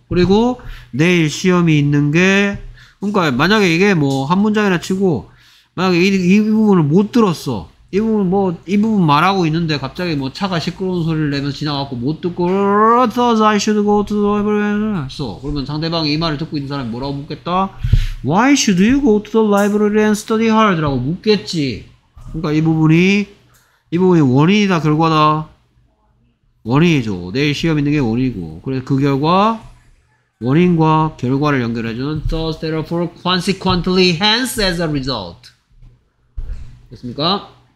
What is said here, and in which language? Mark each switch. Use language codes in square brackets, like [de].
[ko] 그리고 내일 시험이 있는 게 그러니까 만약에 이게 뭐 한 문장이나 치고 만약에 이 부분을 못 들었어. 이 부분 뭐 이 부분 말하고 있는데 갑자기 뭐 차가 시끄러운 소리를 내면서 지나가고 못 듣고 [en] thus I should go to the library [ko] 했어. 그러면 상대방이 이 말을 듣고 있는 사람이 뭐라고 묻겠다? [en] Why should you go to the library and study hard? [ko] 라고 묻겠지. 그러니까 이 부분이 원인이다 결과다. 원인이죠. 내일 시험 있는 게 원인이고 그래서 그 결과 원인과 결과를 연결해주는 thus, therefore, consequently, hence, as a result. 됐습니까?